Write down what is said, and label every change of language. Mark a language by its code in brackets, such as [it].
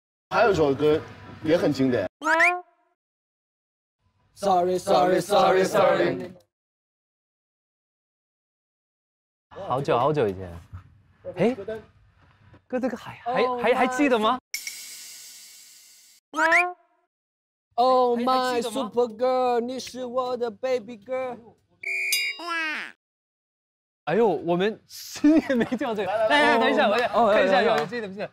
[zh] 还有一首歌也很经典。 [en] Sorry， sorry， sorry， sorry。 [zh] 好久好久以前，哎，哥，这个还记得吗 [en] ？Oh my super girl， [zh] 你是我的 [en] baby girl。 [zh] 哎呦，我们十年没叫这个，来来来，等一下，我看一下，有记得不记得？